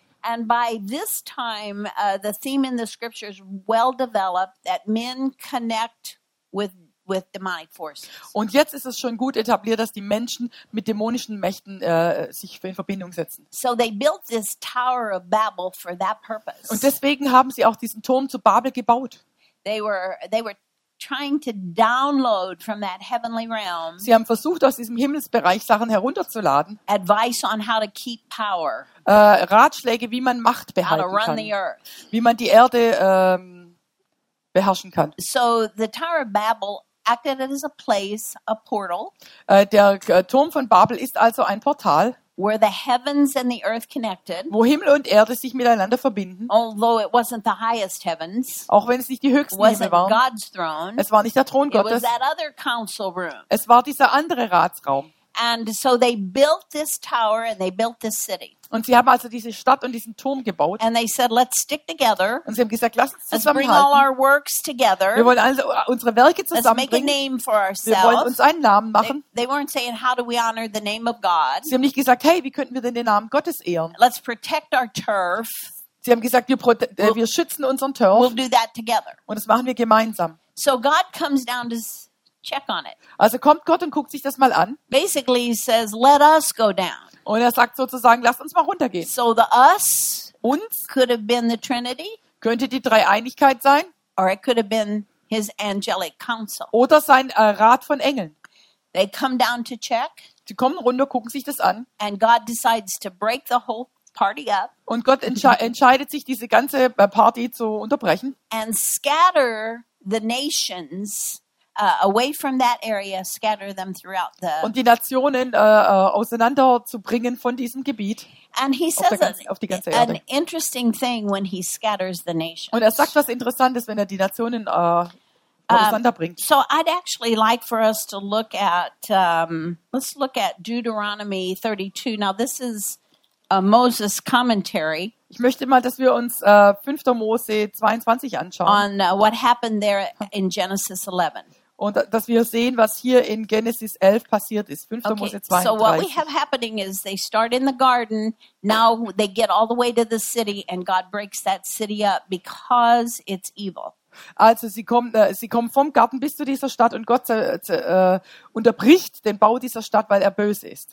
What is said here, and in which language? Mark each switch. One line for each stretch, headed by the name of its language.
English: And by this time the theme in the scriptures well developed that men connect with demonic forces.
German: Und jetzt ist es schon gut etabliert, dass die Menschen mit dämonischen Mächten sich in Verbindung setzen.
English: So they built this Tower of Babel for that purpose.
German: Und deswegen haben sie auch diesen Turm zu Babel gebaut.
English: They were trying to download from that heavenly realm.
German: Sie haben versucht, aus diesem Himmelsbereich Sachen herunterzuladen.
English: Advice on how to keep power.
German: Ratschläge, wie man Macht behalten
English: how to run
German: kann.
English: The earth.
German: Wie man die Erde beherrschen kann.
English: So the Tower of Babel acted as a place, a portal.
German: Der Turm von Babel ist also ein Portal.
English: Where the heavens and the earth connected.
German: Wo Himmel und Erde sich miteinander verbinden.
English: Although it wasn't the highest heavens.
German: Auch wenn es nicht die höchsten Himmel waren.
English: God's throne.
German: Es war nicht der Thron Gottes.
English: It was that other council room.
German: Es war dieser andere Ratsraum.
English: And so they built this tower and they built this city.
German: Und sie haben also diese Stadt und diesen Turm gebaut.
English: And they said, let's stick together.
German: Und sie haben gesagt, lass uns zusammenhalten.
English: Let's bring all our works together.
German: Wir wollen also unsere Werke zusammenbringen.
English: Let's make a name for ourselves.
German: Wir wollen uns einen Namen machen.
English: They weren't saying, how do we honor the name of God?
German: Sie haben nicht gesagt, hey, wie könnten wir denn den Namen Gottes ehren?
English: Let's protect our turf.
German: Sie haben gesagt, wir schützen unseren Turf.
English: We'll do that together.
German: Und das machen wir gemeinsam.
English: So God comes down to check on it.
German: Also kommt Gott und guckt sich das mal an.
English: Basically he says, let us go down.
German: Und er sagt sozusagen, lasst uns mal runtergehen.
English: So the us
German: uns
English: could have been the Trinity,
German: könnte die Dreieinigkeit sein.
English: Or it could have been his angelic council.
German: Oder sein Rat von Engeln.
English: They come down to check,
German: sie kommen runter, gucken sich das an.
English: And God decides to break the whole party up,
German: und Gott entscheidet sich, diese ganze Party zu unterbrechen.
English: And scatter the nations. Away from that area, scatter them throughout the.
German: Und die Nationen auseinanderzubringen von diesem Gebiet.
English: And he says
German: auf die ganze Erde.
English: An interesting thing when he scatters the nations.
German: Und er sagt was Interessantes, wenn er die Nationen auseinanderbringt.
English: So I'd actually like for us to look at let's look at Deuteronomy 32. Now this is Moses' commentary.
German: Ich möchte mal, dass wir uns 5. Mose 22 anschauen.
English: On what happened there in Genesis 11.
German: Und dass wir sehen, was hier in Genesis 11 passiert ist. 5. Okay. Mose 32.
English: So what we have happening is they start in the garden. Now they get all the way to the city and God breaks that city up because it's evil.
German: Also sie kommen vom Garten bis zu dieser Stadt und Gott unterbricht den Bau dieser Stadt, weil er böse ist.